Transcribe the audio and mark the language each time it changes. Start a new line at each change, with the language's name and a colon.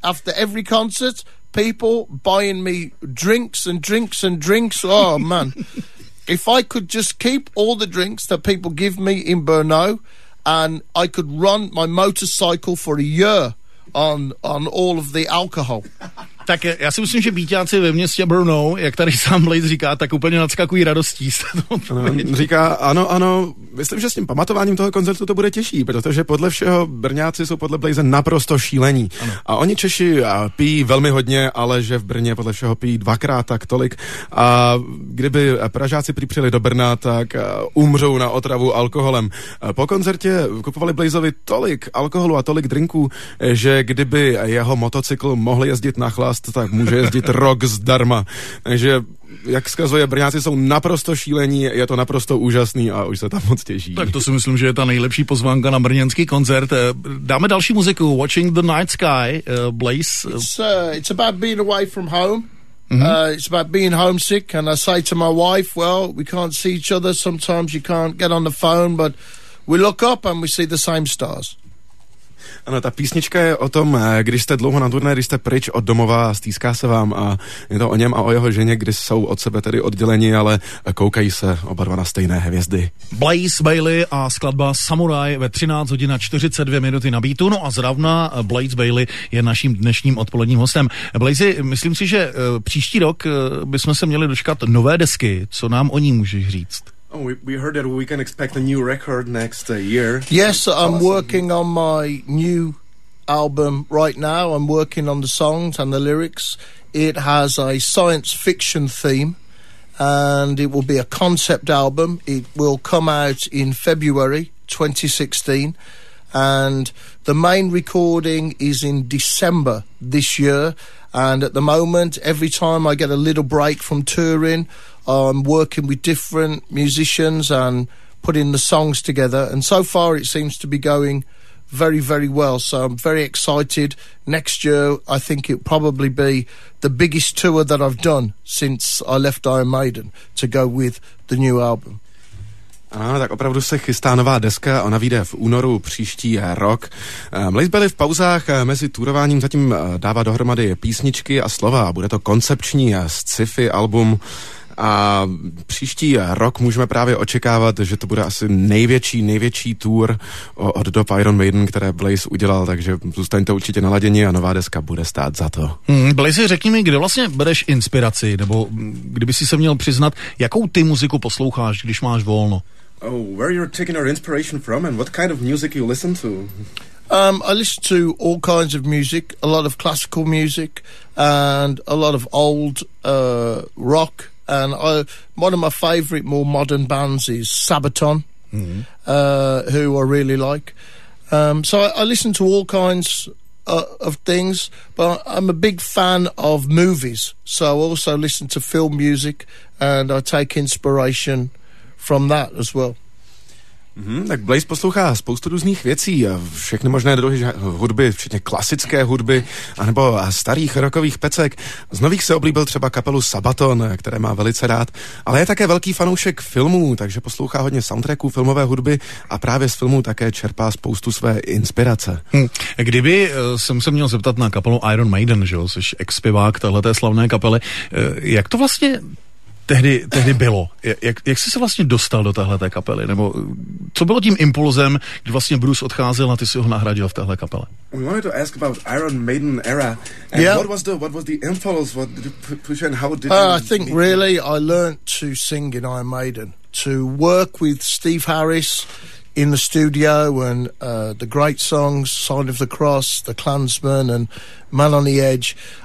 English: After every concert, people buying me drinks and drinks and drinks. Oh, man. If I could just keep all the drinks that people give me in Brno and I could run my motorcycle for a year on all of the alcohol...
Czech: Tak já si myslím, že býťáci ve městě Brno, jak tady sám Blaze říká, tak úplně nadskakují radostí. Říká, ano, myslím, že s tím pamatováním toho koncertu to bude těžší, protože podle všeho brňáci jsou podle Blaze naprosto šílení. Ano. A oni Češi pijí velmi hodně, ale že v Brně podle všeho pijí dvakrát tak tolik. A kdyby Pražáci přijeli do Brna, tak umřou na otravu alkoholem. Po koncertě kupovali Blazeovi tolik alkoholu a tolik drinků, že kdyby jeho motocykl mohl jezdit na chlast, tak může jezdit rok zdarma. Takže, jak zkazuje, Brňáci jsou naprosto šílení, je to naprosto úžasný a už se tam moc těší. Tak to si myslím, že je ta nejlepší pozvánka na brněnský koncert. Dáme další muziku, Watching the Night Sky, Blaze.
English: It's about being away from home. Mm-hmm. It's about being homesick and I say to my wife, well, we can't see each other, sometimes you can't get on the phone, but we look up and we see the same stars.
Czech: Ano, ta písnička je o tom, když jste dlouho na turné, když jste pryč od domova, stýská se vám a je to o něm a o jeho ženě, když jsou od sebe tedy odděleni, ale koukají se oba dva na stejné hvězdy. Blaze Bailey a skladba Samurai ve 13:42 na beatu. No a zrovna Blaze Bailey je naším dnešním odpoledním hostem. Blaze, myslím si, že příští rok bychom se měli dočkat nové desky. Co nám o ní můžeš říct?
English: Oh, we heard that we can expect a new record next year. Yes, I'm working on my new album right now. I'm working on the songs and the lyrics. It has a science fiction theme and it will be a concept album. It will come out in February 2016 and the main recording is in December this year. And at the moment, every time I get a little break from touring, I'm working with different musicians and putting the songs together. And so far, it seems to be going very, very well. So I'm very excited. Next year, I think it'll probably be the biggest tour that I've done since I left Iron Maiden to go with the new album.
Czech: Ano, tak opravdu se chystá nová deska, ona vyjde v únoru příští rok. Blaze Bailey v pauzách mezi turováním zatím dává dohromady písničky a slova, bude to koncepční sci-fi album a příští rok můžeme právě očekávat, že to bude asi největší tour od dob Iron Maiden, které Blaze udělal, takže zůstaňte určitě naladěni a nová deska bude stát za to. Blaze, řekni mi, kde vlastně bereš inspiraci, nebo kdyby si se měl přiznat, jakou ty muziku posloucháš, když máš volno?
English: Oh, where are you taking your inspiration from and what kind of music you listen to? I listen to all kinds of music, a lot of classical music and a lot of old rock. And one of my favourite more modern bands is Sabaton, who I really like. So I listen to all kinds of things, but I'm a big fan of movies. So I also listen to film music and I take inspiration from that as well.
Czech: Tak Blaze poslouchá spoustu různých věcí, všechny možné druhy hudby, včetně klasické hudby, anebo starých rockových pecek. Z nových se oblíbil třeba kapelu Sabaton, které má velice rád, ale je také velký fanoušek filmů, takže poslouchá hodně soundtracků filmové hudby a právě z filmů také čerpá spoustu své inspirace. Kdyby jsem se měl zeptat na kapelu Iron Maiden, že jo, což ex-pivák téhleté slavné kapely, jak to vlastně tehdy bylo? Jak jsi se vlastně dostal do téhleté kapely? Nebo co bylo tím impulzem, kdy vlastně Bruce odcházel a ty si ho nahradil v téhle kapele?
English: We wanted to ask about Iron Maiden era. And yeah. What was the impulse? What did you push and how did you... I think really I learned to sing in Iron Maiden. To work with Steve Harris in the studio and the great songs, Sign of the Cross, The Clansman and Man on the Edge.